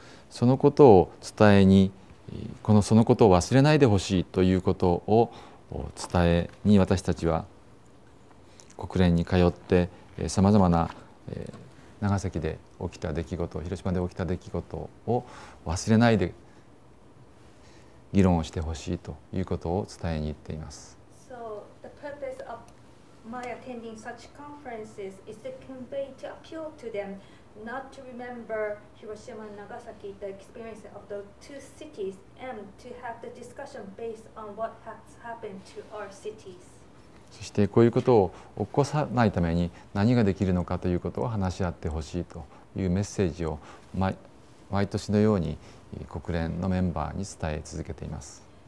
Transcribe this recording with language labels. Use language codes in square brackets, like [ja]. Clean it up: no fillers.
[ja] そのことを伝えに、このそのことを忘れないでほしいということを伝えに、私たちは国連に通ってさまざまな長崎で起きた出来事、広島で起きた出来事を忘れないで議論をしてほしいということを伝えに行っています。 [en] So the purpose of my attending such conferences is to convey to appeal to them not to remember Hiroshima and Nagasaki, the experience of the two cities, and to have the discussion based on what has happened to our cities. [ja] そしてこういうことを起こさないために何ができるのかということを話し合ってほしいというメッセージを毎年のように国連のメンバーに伝え続けています。